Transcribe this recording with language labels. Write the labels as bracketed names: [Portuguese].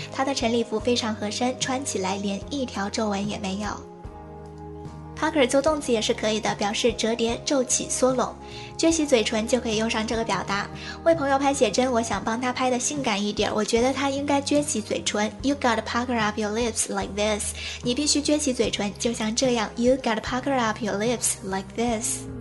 [Chinese] 他的晨礼服非常合身，穿起来连一条皱纹也没有。 Parker 做动词也是可以的，表示折叠、皱起、缩拢。撅起嘴唇就可以用上这个表达。为朋友拍写真，我想帮他拍的性感一点，我觉得他应该撅起嘴唇。 [English] You gotta pucker up your lips like this. [Chinese] 你必须撅起嘴唇，就像这样。 [English] You gotta pucker up your lips like this.